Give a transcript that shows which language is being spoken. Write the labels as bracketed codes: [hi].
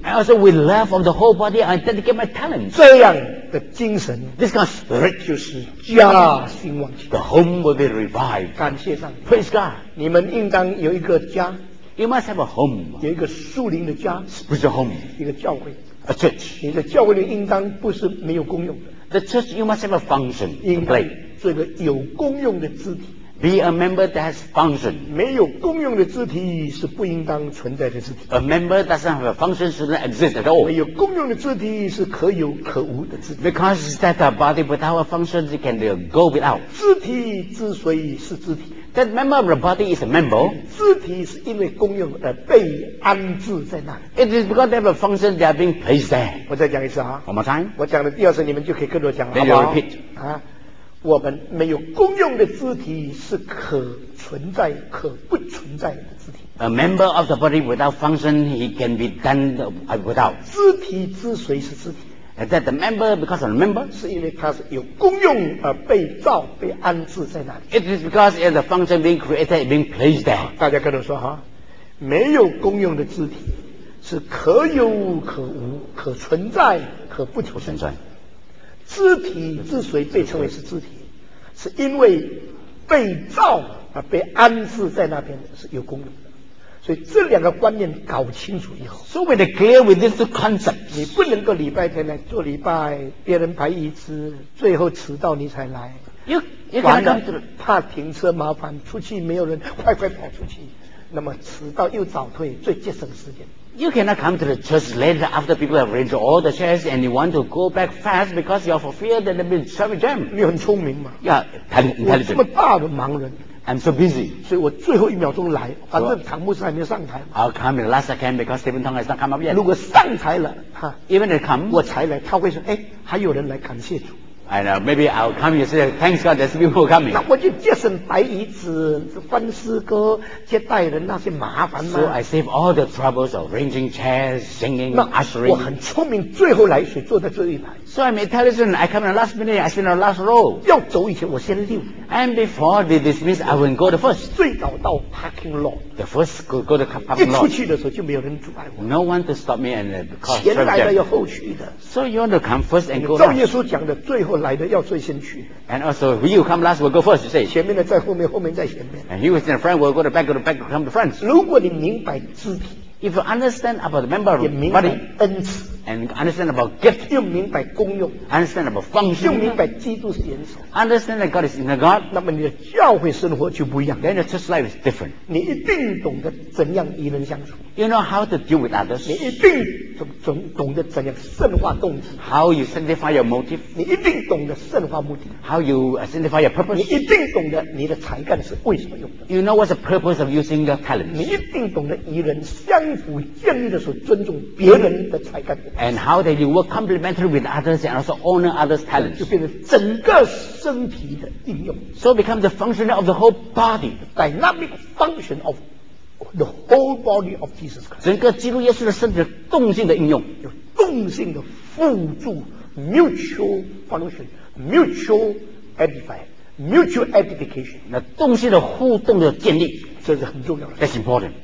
[en] And also with love of the whole body, I dedicate my talent. [zh] 这样的精神 [en] ，this kind of spirit [zh] 就是家兴旺起来。 [en] The home will be revived. [zh] 感谢上帝 [en] ，Praise God. [zh] 你们应当有一个家 [en] ，You must have a home. [zh] 有一个属灵的家 [en] ，Spiritual home. [zh] 一个教会。 [en] a church. [zh] 你的教会里应当不是没有功用的。 [en] The church, you must have a function to play. [zh] 做一个有功用的肢体。 [en] Be a member that has function. [zh] 没有功用的肢体是不应当存在的肢体。 [en] A member that doesn't have a function shouldn't exist at all. [zh] 没有功用的肢体是可有可无的肢体。 [en] Because that a body without a function can go without. [zh] 肢体之所以是肢体。 [en] That member of the body is a member. [zh] 肢体是因为功用而被安置在那里。 [en] It is because they have a function that are being placed there. [zh] 我再讲一次啊。 [en] One more time. [zh] 我讲的第二次你们就可以跟着讲了。 [en] Then you repeat. 啊。 [zh] 我们没有功用的肢体是可存在可不存在的肢体。 [en] A member of the body without function, he can be done without. [zh] 肢体之所以是肢体。 [en] And that the member, because of the member, [zh] 是因为它是有功用而被造被安置在那里。 [en] It is because it's a function being created, being placed there. [zh] 大家跟着说哈，没有功用的肢体是可有可无，可存在可不存在。不存在。肢体之所以被称为是肢体，是因为被造而被安置在那边是有功用的。所以这两个观念搞清楚以后 [en] ，So when they clear with this concept， [zh] 你不能够礼拜天来做礼拜，别人排椅子，最后迟到你才来。 [en] You cannot come to the [zh] 怕停车麻烦，出去没有人，快快跑出去，那么迟到又早退，最节省时间。 [en] You cannot come to the church later after people have arranged all the chairs and you want to go back fast because you are for fear that there will be traffic jam. [zh] 你很聪明嘛。 [en] Yeah, intelligent. [zh] 我这么大的盲人。 [en] I'm so busy. [zh] 所以我最后一秒钟来，反正唐牧师还没上台。 [en] I'll come in the last second because Stephen Tong has not come up yet. [zh] 如果上台了，哈 [en] ，Even if come， [zh] 我才来，他会说，哎，还有人来感谢主。 [en] I know. Maybe I'll come and say thanks God there's people coming. [zh] 那我就节省白椅子、翻诗歌、接待人那些麻烦嘛。 [en] So I save all the troubles of arranging chairs, singing, ushering. [zh] 我很聪明，最后来谁坐在最后一排。 [en] So I'm intelligent. I come in the last minute. I sit in the last row. [zh] 要走以前我先溜。 [en] And before they dismiss, I will go the first. [zh] 最早到 [en] parking lot. The first go to parking lot. [zh] 一出去的时候就没有人阻碍我。 [en] No one to stop me and cause traffic. [zh] 前来的要后去的。 [en] So you want to come first and go last. [zh] 照耶稣讲的，最后来的要最先去。 [en] And also, you come last, will go first. You say. [zh] 前面的在后面，后面在前面。 [en] And you in front, will go to back, go to back, come to front. [zh] 如果你明白肢体。 [en] If you understand about the member of the body, and understand about gift, [zh] 又明白功用 [en] understand about function, [zh] 又明白基督是元首 [en] understand that God is in the God, [zh] 那么你的教会生活就不一样 [en] then your church life is different. [zh] 你一定懂得怎样与人相处 [en] you know how to deal with others. [zh] 你一定懂得怎样圣化动机 [en] how you sanctify your motive. [zh] 你一定懂得圣化目的 [en] how you sanctify your purpose. [zh] 你一定懂得你的才干是为什么用的 [en] you know what's the purpose of using your talents. [zh] 你一定懂得与人相政府建立的时候尊重别人的才干 [en] and how that you work complementary with others and also honor others' talents [zh] 就变成整个身体的应用 [en] so become the function of the whole body dynamic function of the whole body of Jesus Christ [zh] 整个基督耶稣的身体的动性的应用有动性的辅助 [en] mutual function mutual edifying mutual edification [zh] 那动性的互动的建立这是很重要的 [en] that's important